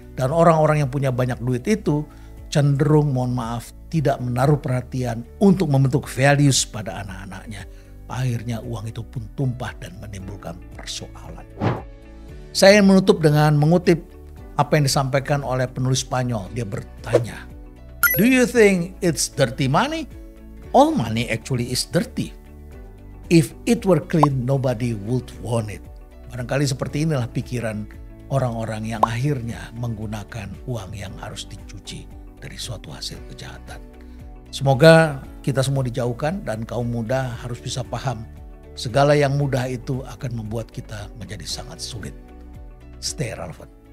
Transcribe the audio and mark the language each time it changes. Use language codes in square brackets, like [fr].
[id] Dan orang-orang yang punya banyak duit itu cenderung, mohon maaf, tidak menaruh perhatian untuk membentuk values pada anak-anaknya. Akhirnya uang itu pun tumpah dan menimbulkan persoalan. Saya ingin menutup dengan mengutip apa yang disampaikan oleh penulis Spanyol. Dia bertanya, [en] "Do you think it's dirty money? All money actually is dirty. If it were clean, nobody would want it." [id] Barangkali seperti inilah pikiran orang-orang yang akhirnya menggunakan uang yang harus dicuci dari suatu hasil kejahatan. Semoga kita semua dijauhkan dan kaum muda harus bisa paham segala yang mudah itu akan membuat kita menjadi sangat sulit. [en] Stay relevant.